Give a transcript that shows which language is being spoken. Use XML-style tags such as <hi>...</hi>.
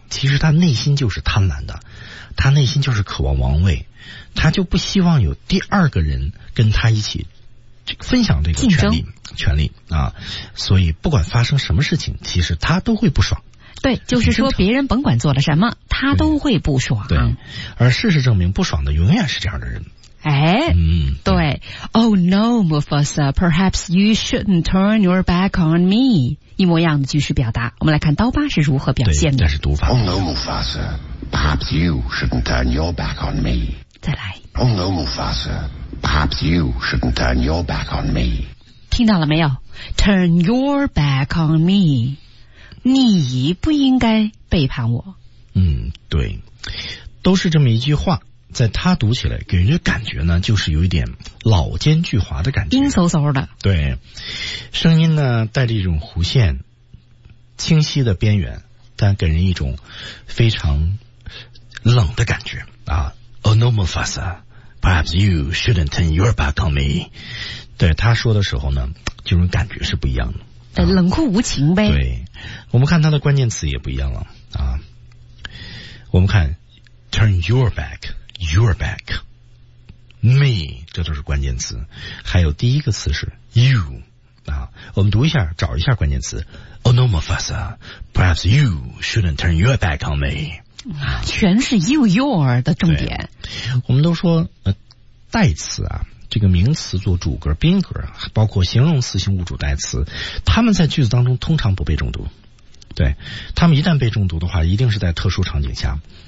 <zh>其实他内心就是贪婪的，他内心就是渴望王位，他就不希望有第二个人跟他一起分享这个权力啊，所以不管发生什么事情，其实他都会不爽。对，就是说别人甭管做了什么，他都会不爽。对，而事实证明，不爽的永远是这样的人。哎，嗯，对。</zh> <en>Oh no, Mufasa, perhaps you shouldn't turn your back on me。</en> <zh>一模一样的句式表达，我们来看刀疤是如何表现的。对，这是读法。</zh> <en>Oh no, Mufasa, perhaps you shouldn't turn your back on me。</en> <zh>再来。</zh> <en>Oh no, Mufasa, perhaps you shouldn't turn your back on me。</en> <zh>听到了没有</zh> <en>？Turn your back on me。</en> <zh>你不应该背叛我。嗯，对，都是这么一句话，在他读起来给人的感觉呢，就是有一点老奸巨猾的感觉，阴嗖嗖的。对，声音呢带着一种弧线，清晰的边缘，但给人一种非常冷的感觉啊。</zh> <en>Oh no, Mufasa, perhaps you shouldn't turn your back on me。</en> <zh>对，他说的时候呢，这种感觉是不一样的。冷酷无情呗。对，我们看它的关键词也不一样了啊。我们看</zh> <en>turn your back, me，</en> <zh>这都是关键词。还有第一个词是 you 啊，我们读一下，找一下关键词。</zh> <en>Oh no, Mufasa, perhaps you shouldn't turn your back on me。</en> <zh>全是</zh> <en>you your</en> <zh>的重点。我们都说代词啊。这个名词做主格、宾格，包括形容词、性物主代词，他们在句子当中通常不被重读。对，他们一旦被重读的话，一定是在特殊场景下。</zh>